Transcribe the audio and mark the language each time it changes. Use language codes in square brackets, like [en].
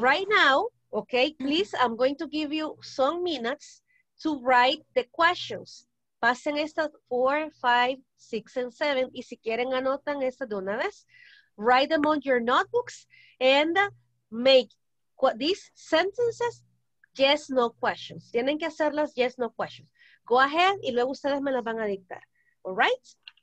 [en] Right now, okay, please, I'm going to give you some minutes to write the questions. [es] Pasen estas 4, 5, 6, and 7. Y si quieren, anotan estas de una vez. [en] Write them on your notebooks and make these sentences yes, no questions. [es] Tienen que hacerlas [en] yes, no questions. Go ahead [es] y luego ustedes me las van a dictar. [en] All right?